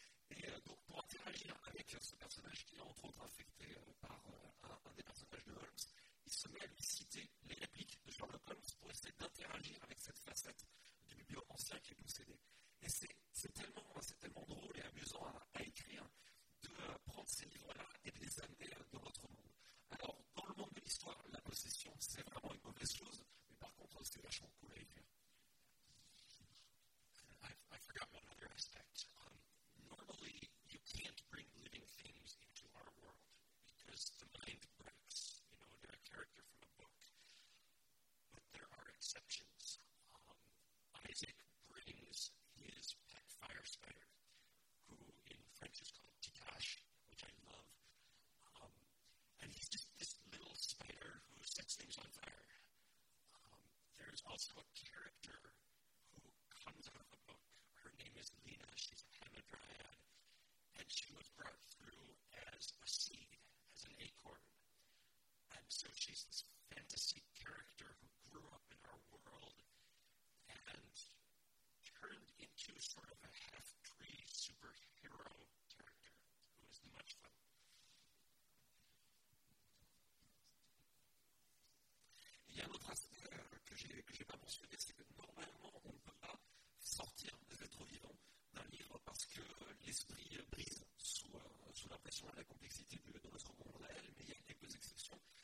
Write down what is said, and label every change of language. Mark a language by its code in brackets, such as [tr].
[fr] Et donc, pour interagir avec ce personnage qui est entre autres affecté par un des personnages de Holmes, il se met à lui citer les répliques de Sherlock Holmes pour essayer d'interagir avec cette facette du bibliomancien qui est possédé. Et c'est tellement drôle et amusant à écrire de prendre ces livres-là et de les amener dans notre monde. Alors, dans le monde de l'histoire, la possession, c'est vraiment une mauvaise chose, mais par contre, c'est vachement cool à écrire. [en] I forgot one other aspect. Normally, you can't bring living things into our world because the mind breaks. You know, they're a character from a book. But there are exceptions. Isaac brings his pet fire spider, who in French is called Tikash, which I love. And he's just this little spider who sets things on fire. There's also a character who comes out of a book. Her name is Lena. She's a hamadryad. And she was brought through as a seed, as an acorn. And so she's this fantasy character who grew up in our world and turned into sort of a half-tree superhero character who is much fun. [fr] Il y a un autre aspect que j'ai pas mentionné, c'est que normalement, on ne peut pas sortir de l'être vivant d'un livre parce que l'esprit brise sous la pression et la complexité de notre monde réel, mais il y a quelques exceptions.